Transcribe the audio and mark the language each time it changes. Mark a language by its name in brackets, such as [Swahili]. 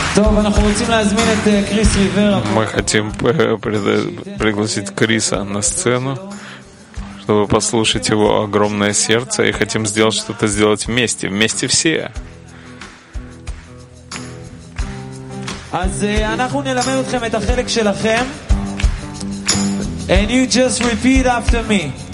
[Russian] Мы хотим пригласить Криса на сцену, чтобы послушать его огромное сердце, и хотим сделать что-то сделать вместе, вместе все. [Hebrew] אז אנחנו נלמד אתכם את החלק שלכם. [English] And you just repeat after me.